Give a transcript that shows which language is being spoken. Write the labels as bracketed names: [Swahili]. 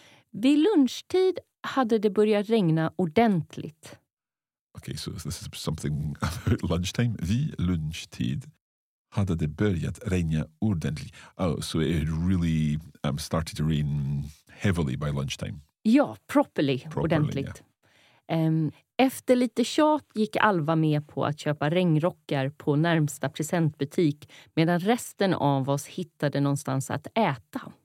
[Swedish] Vid lunchtid hade det börjat regna ordentligt. [English] Okay, so this is something about lunchtime. [Swedish] Vid lunchtid hade det börjat regna ordentligt. [English] Oh, so it really started to rain heavily by lunchtime. Ja, properly ordentligt. Yeah. [Swedish] Efter lite tjat gick Alva med på att köpa regnrockar på närmsta presentbutik, medan resten av oss hittade någonstans att äta.